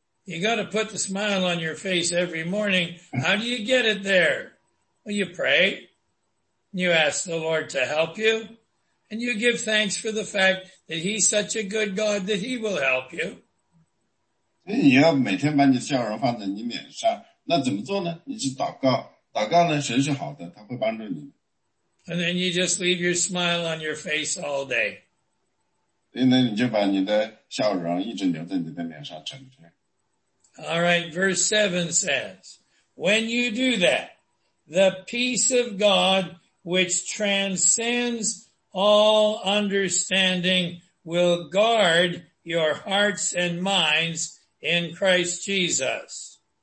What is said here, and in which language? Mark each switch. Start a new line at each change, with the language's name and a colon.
English: You got to put the smile on your face every morning. How do you get it there? Well, you pray. You ask the Lord to help you. And you give thanks for the fact that he's such a good God that he will help you.
Chinese: 你要每天把你的笑容放在你脸上，那怎么做呢？你去祷告，祷告呢？神是好的，他会帮助你。
English: And then you just leave your smile on your face all day.
Chinese: 所以呢，你就把你的笑容一直留在你的脸上，整天。
English: All right, verse 7 says, when you do that, the peace of God, which transcends all understanding, will guard your hearts and minds in Christ Jesus.